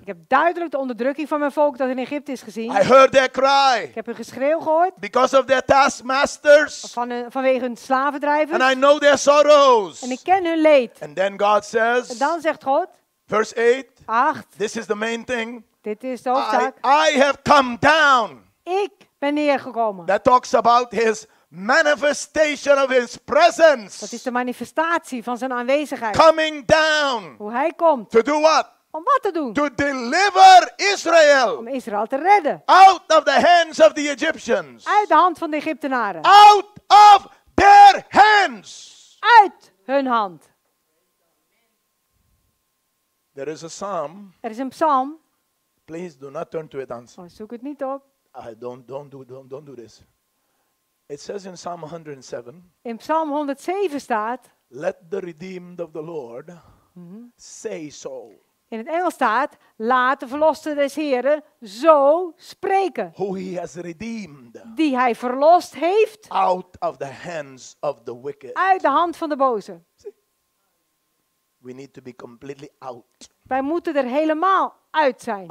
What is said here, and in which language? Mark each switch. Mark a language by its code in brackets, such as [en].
[nl] Ik heb duidelijk de onderdrukking van mijn volk dat in Egypte is gezien. [en] I heard their cry. [nl] Ik heb hun geschreeuw gehoord. [en] Because of their taskmasters. [nl] Vanwege hun slavendrijvers. [en] And I know their sorrows. [nl] En ik ken hun leed. [en] And then God says. [nl] En dan zegt God. [en] Verse 8. This is the main thing. [nl] Dit is de hoofdzaak. [en] I have come down. [nl] Ik ben neergekomen. [en] That talks about his manifestation of his presence. [nl] Dat is de manifestatie van zijn aanwezigheid. [en] Coming down. [nl] Hoe hij komt. [en] To do what? [nl] Om wat te doen? [en] To deliver Israel. [nl] Om Israël te redden. [en] Out of the hands of the Egyptians. [nl] Uit de hand van de Egyptenaren. [en] Out of their hands. [nl] Uit hun hand. [en] There is a psalm. [nl] Er is een psalm. [en] Please do not turn to it, Hans. [nl] Oh, zoek het niet op. [en] Don't do this. It says in Psalm 107. [nl] In Psalm 107 staat. [en] Let the redeemed of the Lord say so. [nl] In het Engels staat, laat de verloste des Heren zo spreken. [en] Who he has redeemed. [nl] Die hij verlost heeft. [en] Out of the hands of the wicked. [nl] Uit de hand van de boze. [en] We need to be completely out. [nl] Wij moeten er helemaal uit zijn.